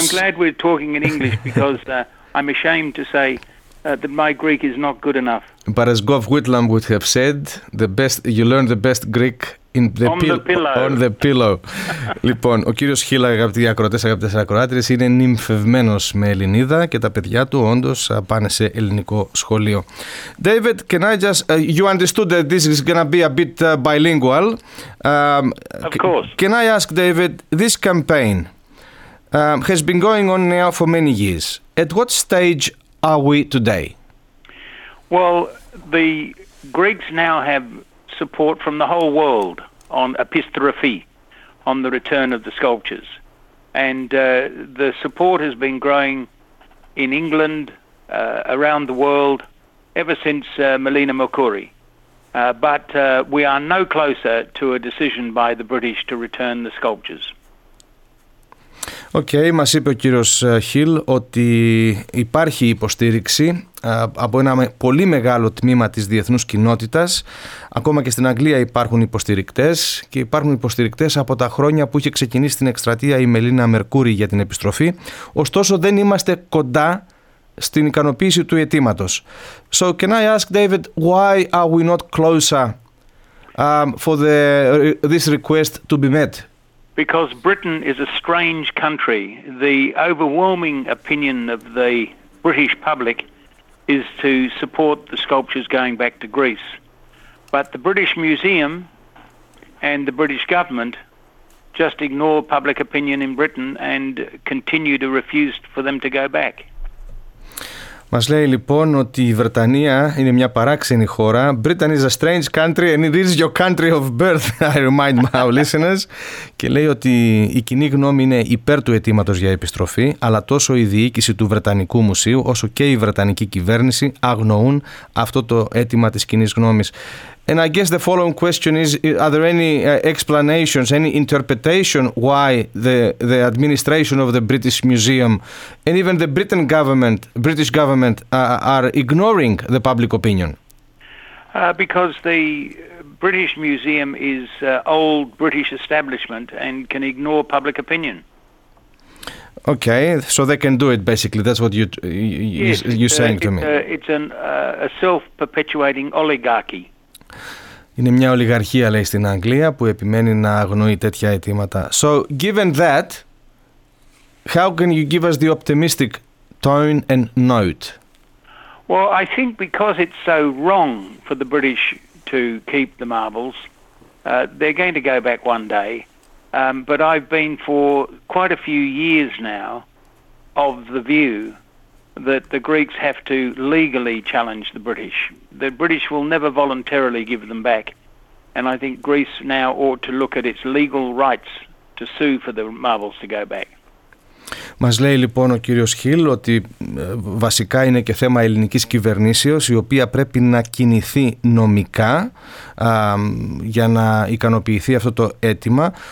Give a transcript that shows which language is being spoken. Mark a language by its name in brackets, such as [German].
[English] I'm glad we're talking in English because I'm ashamed to say that my Greek is not good enough. But as Gough Whitlam would have said, you learn the best Greek. On the pillow. [Greek] Λοιπόν, ο κύριος Χίλ, αγαπητοί ακροατές, αγαπητές ακροάτριες, είναι νυμφευμένος με Ελληνίδα και τα παιδιά του όντως πάνε σε ελληνικό σχολείο. [English] David, can I just... You understood that this is going to be a bit bilingual. Of course. Can I ask, David, this campaign has been going on now for many years. At what stage are we today? Well, the Greeks now have support from the whole world on epistrophe, on the return of the sculptures. And the support has been growing in England, around the world, ever since Melina Mercouri. But we are no closer to a decision by the British to return the sculptures. Okay, [Greek] μας είπε ο κύριος Χίλ ότι υπάρχει υποστήριξη από ένα πολύ μεγάλο τμήμα της διεθνούς κοινότητας. Ακόμα και στην Αγγλία υπάρχουν υποστηρικτές και υπάρχουν υποστηρικτές από τα χρόνια που είχε ξεκινήσει την εκστρατεία η Μελίνα Μερκούρη για την επιστροφή. Ωστόσο, δεν είμαστε κοντά στην ικανοποίηση του αιτήματος. [English] So, can I ask, David, why are we not closer for this request to be met? Because Britain is a strange country. The overwhelming opinion of the British public is to support the sculptures going back to Greece. But the British Museum and the British government just ignore public opinion in Britain and continue to refuse for them to go back. [Greek] Μας λέει λοιπόν ότι η Βρετανία είναι μια παράξενη χώρα. [English] Britain is a strange country and it is your country of birth, I remind my listeners. [Greek] Και λέει ότι η κοινή γνώμη είναι υπέρ του αιτήματος για επιστροφή, αλλά τόσο η διοίκηση του Βρετανικού Μουσείου όσο και η Βρετανική κυβέρνηση αγνοούν αυτό το αίτημα της κοινής γνώμης. [English] And I guess the following question is, are there any explanations, any interpretation why the administration of the British Museum and even the British government are ignoring the public opinion? Because the British Museum is old British establishment and can ignore public opinion. Okay, so they can do it basically, that's what you're saying to me. It's a self-perpetuating oligarchy. [Greek] Είναι μια ολιγαρχία, λέει, στην Αγγλία που επιμένει να αγνοεί τέτοια αιτήματα. [English] So, given that, how can you give us the optimistic tone and note? Well, I think because it's so wrong for the British to keep the marbles, they're going to go back one day. But I've been for quite a few years now of the view that the Greeks have to legally challenge the British. The British will never voluntarily give them back. And I think Greece now ought to look at its legal rights to sue for the marbles to go back. [Greek] Μας λέει λοιπόν ο κύριος Χίλ ότι βασικά είναι και θέμα ελληνικής κυβερνήσεως, η οποία πρέπει να κινηθεί νομικά για να ικανοποιηθεί αυτό το αίτημα.